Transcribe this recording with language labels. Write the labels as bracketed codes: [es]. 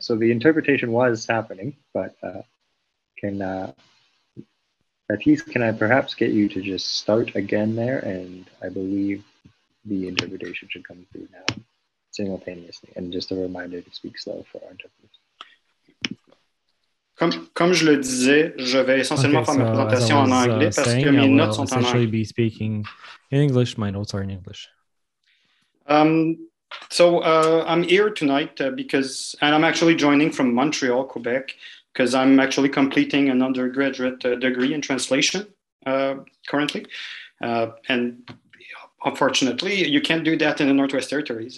[en] So the interpretation was happening, but can I perhaps get you to just start again there? And I believe the interpretation should come through now simultaneously. And just a reminder to speak slow for our interpreters. [fr] Comme je le disais, je vais essentiellement faire ma présentation en anglais parce que mes notes sont en anglais. [en] Essentially be speaking in English. My notes are in English. So I'm here tonight and I'm actually joining from Montreal, Quebec, because I'm actually completing an undergraduate degree in translation. currently. And unfortunately, you can't do that in the Northwest Territories.